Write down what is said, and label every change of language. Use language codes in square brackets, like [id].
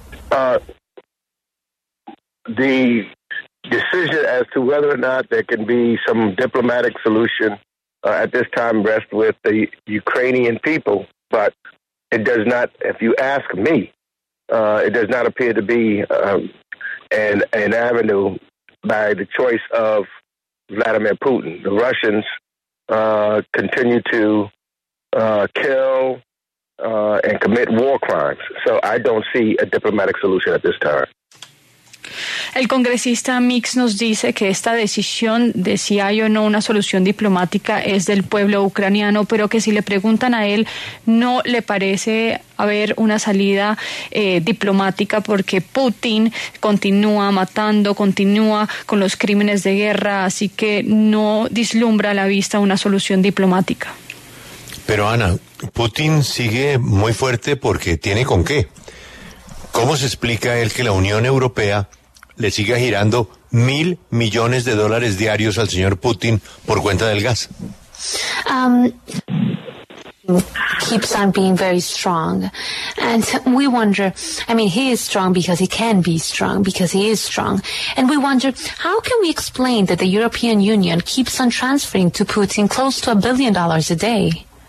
[en] The decision as to whether or not there can be some diplomatic solution at this time rests with the Ukrainian people, but it does not, if you ask me, it does not appear to be an avenue by the choice of Vladimir Putin. The Russians continue to kill and commit war crimes, so I don't see a diplomatic solution at this time. [es] El congresista Meeks nos dice que esta decisión de si hay o no una solución diplomática es del pueblo ucraniano, pero que si le preguntan a él, no le parece haber una salida diplomática porque Putin continúa matando, continúa con los crímenes de guerra, así que no vislumbra a la vista una solución diplomática. Pero Ana, Putin sigue muy fuerte porque tiene con qué. ¿Cómo se explica él que la Unión Europea le siga girando $1,000 millones diarios al señor Putin por cuenta del gas? [en] Keeps on being very strong. And we wonder, he is strong because he can be strong, because he is strong. And we wonder, how can we explain that the European Union keeps on transferring to Putin close to $1 billion a day?